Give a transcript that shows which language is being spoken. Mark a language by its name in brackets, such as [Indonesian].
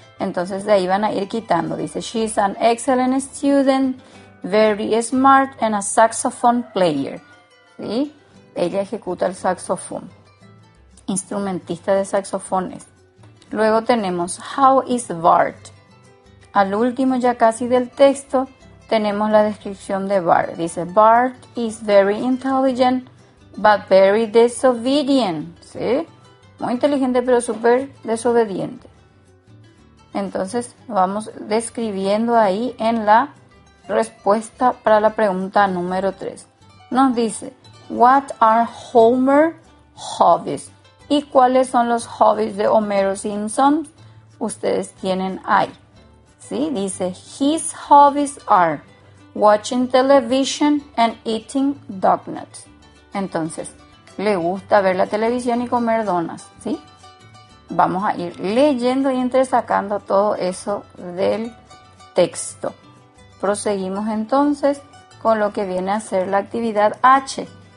[Spanish] Entonces de ahí van a ir quitando. Dice, [English] she's an excellent student, very smart and a saxophone player. [Spanish] ¿Sí? Ella ejecuta el saxofón. Instrumentista de saxofones. Luego tenemos, [English] how is Bart? [Spanish] Al último, ya casi del texto, tenemos la descripción de Bart. Dice, [English] Bart is very intelligent, but very disobedient. [Spanish] ¿Sí? Muy inteligente, pero súper desobediente. Entonces, vamos describiendo ahí en la respuesta para la pregunta número 3. Nos dice, [English] what are Homer's hobbies? [Spanish] ¿Y cuáles son los hobbies de Homero Simpson? Ustedes tienen ahí. ¿Sí? Dice, [English] his hobbies are watching television and eating donuts. [Spanish] Entonces, le gusta ver la televisión y comer donas, ¿sí? Vamos a ir leyendo y entresacando todo eso del texto. Proseguimos entonces con lo que viene a ser la actividad H.